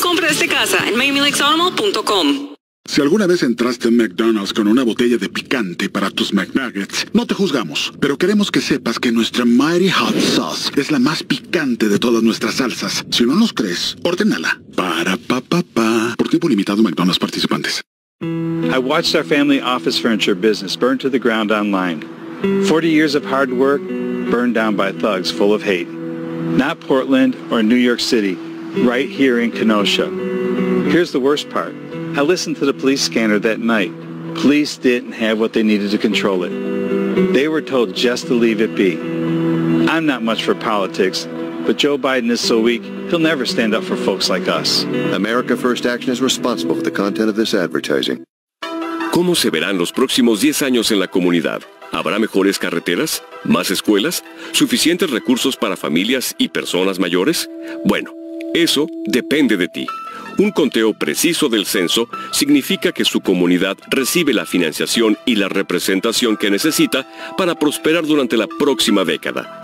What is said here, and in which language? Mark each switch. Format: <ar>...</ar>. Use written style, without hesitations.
<es>Compre desde casa en MiamiLakesAutoMall.com. Si alguna vez entraste en McDonald's con una botella de picante para tus McNuggets, no te juzgamos, pero queremos que sepas que nuestra Mighty Hot Sauce es la más picante de todas nuestras salsas. Si no nos crees, órdenala. Para pa pa pa. Por tiempo limitado, McDonald's participantes.</es> <en>I watched our family office furniture business burn to the ground online. 40 years of hard work burned down by thugs full of hate. Not Portland or New York City, right here in Kenosha. Here's the worst part. I listened to the police scanner that night. Police didn't have what they needed to control it. They were told just to leave it be. I'm not much for politics, but Joe Biden is so weak, he'll never stand up for folks like us. America First Action is responsible for the content of this advertising.</en> <es>¿Cómo se verán los próximos 10 años en la comunidad? ¿Habrá mejores carreteras? ¿Más escuelas? ¿Suficientes recursos para familias y personas mayores? Bueno, eso depende de ti. Un conteo preciso del censo significa que su comunidad recibe la financiación y la representación que necesita para prosperar durante la próxima década.</es>